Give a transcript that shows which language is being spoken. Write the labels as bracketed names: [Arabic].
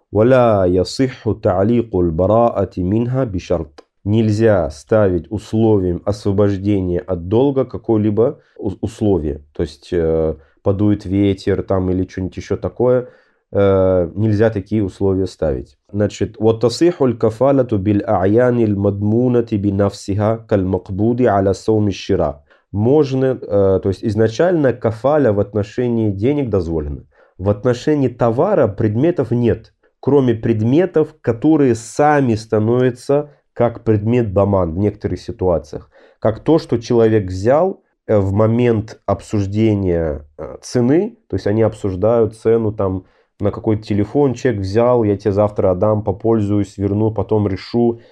[Arabic] وَلَا يَصِحُّ تَعْلِيقُ الْبَرَاءَةِ مِنْهَا بِشَرْطٍ. [Russian] Нельзя ставить условием освобождения от долга какое-либо условие. То есть подует ветер там или что-нибудь еще такое. Нельзя такие условия ставить. Значит, [Arabic] وَتَصِحُ الْكَفَالَةُ بِالْأَعْيَانِ الْمَدْمُونَةِ بِنَفْسِهَا كَالْمَقْبُودِ عَلَى سَوْمِ الشِّرَى. [Russian] Можно, то есть изначально кафаля в отношении денег дозволена. В отношении товара предметов нет, кроме предметов, которые сами становятся как предмет даман в некоторых ситуациях. Как то, что человек взял в момент обсуждения цены, то есть они обсуждают цену там на какой-то телефон, человек взял, я тебе завтра отдам, попользуюсь, верну, потом решу.